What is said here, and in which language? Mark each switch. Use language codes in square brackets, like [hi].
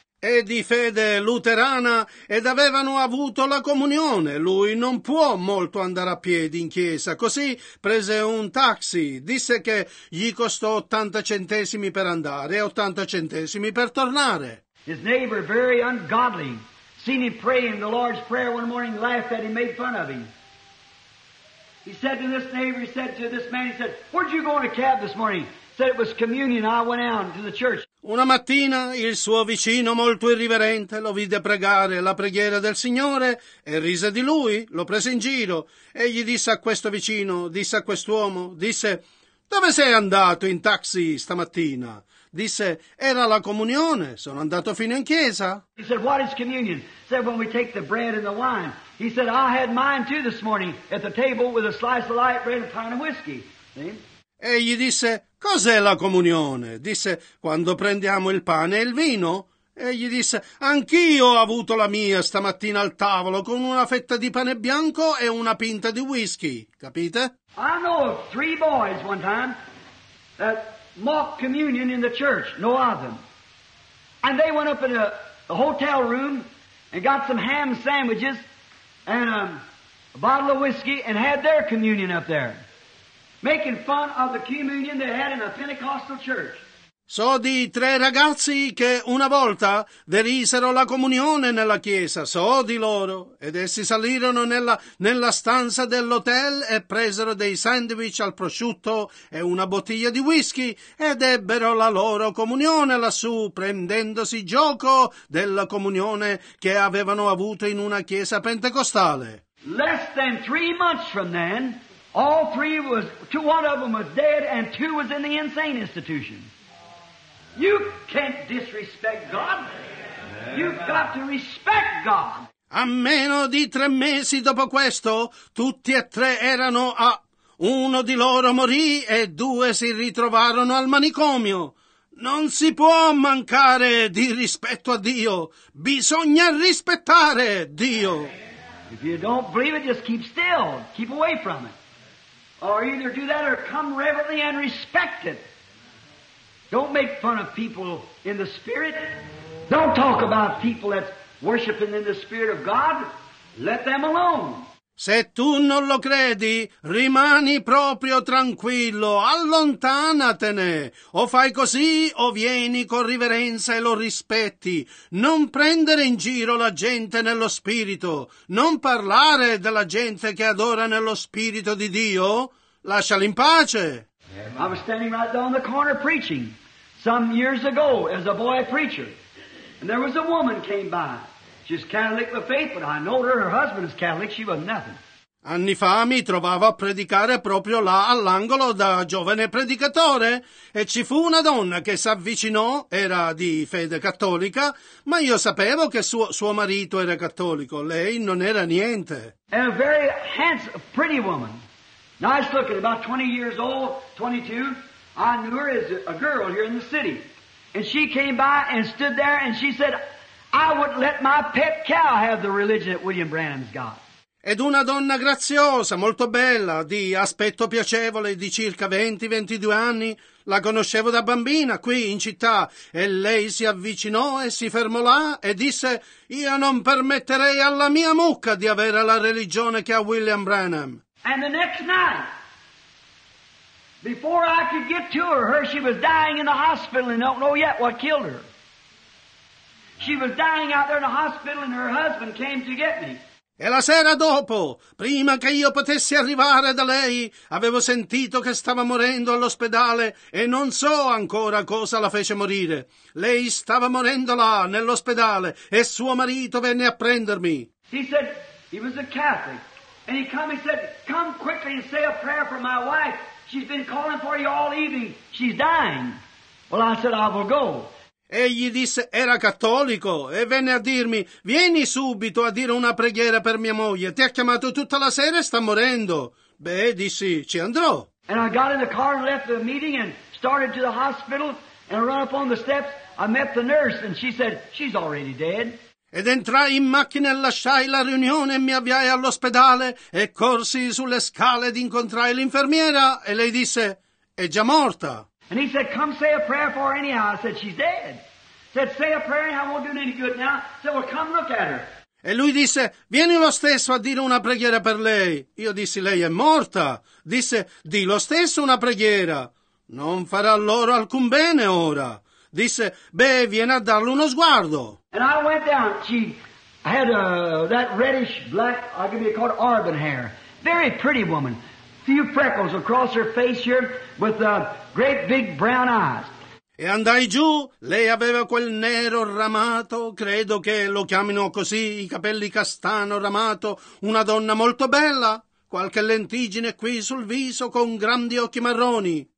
[it] È di fede luterana ed avevano avuto la comunione. Lui non può molto andare a piedi in chiesa. Così prese un taxi, disse che gli costò 80 centesimi per andare e 80 centesimi per tornare. [en] His neighbor, very ungodly, seen him praying the Lord's Prayer one morning, laughed at him, made fun of him. He said to this neighbor, he said to this man, he said, where'd you go in a cab this morning? He said, it was communion, I went out to the church. [it] Una mattina il suo vicino molto irriverente lo vide pregare la preghiera del Signore e rise di lui, lo prese in giro e gli disse a questo vicino, disse a quest'uomo, disse, dove sei andato in taxi stamattina? Disse, era la comunione, sono andato fino in chiesa. [en] He said, what is communion? He said, when we take the bread and the wine. He said, I had mine too this morning at the table with a slice of light bread and a pint of whiskey. [it] E gli disse, cos'è la comunione? Disse, quando prendiamo il pane e il vino. E gli disse, anch'io ho avuto la mia stamattina al tavolo con una fetta di pane bianco e una pinta di whisky. Capite? [en] I know of three boys one time that mock communion in the church, no other. And they went up in a hotel room and got some ham sandwiches and a bottle of whiskey and had their communion up there. Making fun of the communion they had in a Pentecostal church. [it] So di tre ragazzi che una volta derisero la comunione nella chiesa, so di loro, ed essi salirono nella stanza dell'hotel e presero dei sandwich al prosciutto e una bottiglia di whisky ed ebbero la loro comunione lassù, prendendosi gioco della comunione che avevano avuto in una chiesa pentecostale. [en] Less than 3 months from then, all three was, two, one of them was dead and two was in the insane institution. You can't disrespect God. You've got to respect God. [it] A meno di 3 mesi dopo questo, tutti e tre erano a... Uno di loro morì e due si ritrovarono al manicomio. Non si può mancare di rispetto a Dio. Bisogna rispettare Dio. [en] If you don't believe it, just keep still. Keep away from it. Or either do that or come reverently and respect it. Don't make fun of people in the Spirit. Don't talk about people that's worshiping in the Spirit of God. Let them alone. [it] Se tu non lo credi, rimani proprio tranquillo, allontanatene. O fai così o vieni con riverenza e lo rispetti. Non prendere in giro la gente nello Spirito. Non parlare della gente che adora nello Spirito di Dio. Lasciali in pace. [en] I was standing right down the corner preaching. Some years ago, as a boy preacher, and there was a woman came by. She's Catholic with faith, but I know her husband is Catholic. She was nothing. [it] Anni fa mi trovavo a predicare proprio là all'angolo da giovane predicatore e ci fu una donna che si avvicinò, era di fede cattolica, ma io sapevo che suo marito era cattolico. Lei non era niente. [en] And a very handsome, pretty woman. Nice looking, about 20 years old, 22. I knew her as a girl here in the city. And she came by and stood there and she said, I wouldn't let my pet cow have the religion that William Branham's got. [it] Ed una donna graziosa, molto bella, di aspetto piacevole, di circa 20-22 anni, la conoscevo da bambina qui in città, e lei si avvicinò e si fermò là e disse, io non permetterei alla mia mucca di avere la religione che ha William Branham. [en] And the next night, before I could get to her, she was dying in the hospital and don't know yet what killed her. She was dying out there in the hospital and her husband came to get me. [it] E la sera dopo, prima che io potessi arrivare da lei, avevo sentito che stava morendo all'ospedale e non so ancora cosa la fece morire. Lei stava morendo là, nell'ospedale, e suo marito venne a prendermi. [en] He said, he was a Catholic. And he come, he said, come quickly and say a prayer for my wife. She's been calling for you all evening. She's dying. Well, I said, I will go. [it] Egli disse, era cattolico, e venne a dirmi, vieni subito a dire una preghiera per mia moglie. Ti ha chiamato tutta la sera e sta morendo. Beh, dissi, ci andrò. [en] And I got in the car and left the meeting and started to the hospital. And I run up on the steps. I met the nurse and she said, she's already dead. [it] Ed entrai in macchina e lasciai la riunione e mi avviai all'ospedale e corsi sulle scale ed incontrai l'infermiera e lei disse, è già morta. [en] And he said, come say a prayer for her anyhow. I said, she's dead. I said, say a prayer and I won't do any good now. I said, well, come look at her. [it] E lui disse, vieni lo stesso a dire una preghiera per lei. Io dissi, lei è morta. Disse, di lo stesso una preghiera. Non farà loro alcun bene ora. Disse, beh, vieni a darle uno sguardo. [en] And I went down. She had that reddish black, I'll give you a called auburn hair. Very pretty woman. Few freckles across her face here with great big brown eyes. [it] E andai giù, lei aveva quel nero ramato, credo che lo chiamino così, i capelli castano ramato, una donna molto bella, qualche lentiggine qui sul viso con grandi occhi marroni.